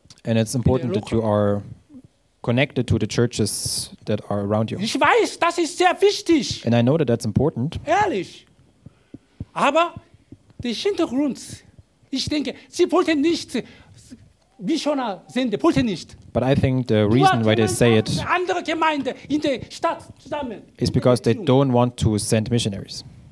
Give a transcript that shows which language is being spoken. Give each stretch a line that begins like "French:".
English: And it's important that you are connected to the churches that are around you.
German: Ich weiß, das ist sehr wichtig.
English: And I know that that's important.
German: Ehrlich. Aber der Hintergrund, ich denke, sie wollten nicht Missionar sind, die wollten nicht.
English: But I think the reason why they say it
German: andere Gemeinde in der Stadt zusammen
English: is because they don't want to send missionaries.